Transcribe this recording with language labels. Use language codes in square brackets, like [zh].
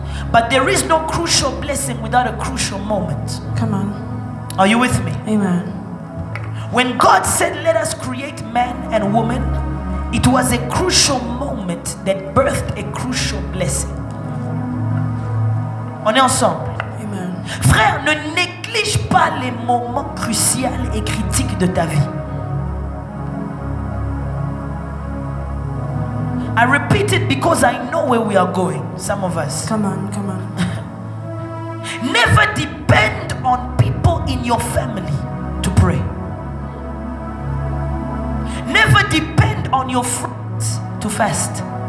[en] But there is no crucial blessing without a crucial moment. Come on. Are you with me? Amen. When God said, let us create man and woman, it was a crucial moment that birthed a crucial blessing. [fr] On est ensemble. [en] Amen. [fr] Frère, ne négligez ne néglige pas les moments cruciaux et critiques de ta vie. [en] I repeat it because I know where we are going, some of us. Come on, come on. Never depend on people in your family to pray. Never depend on your friends to fast.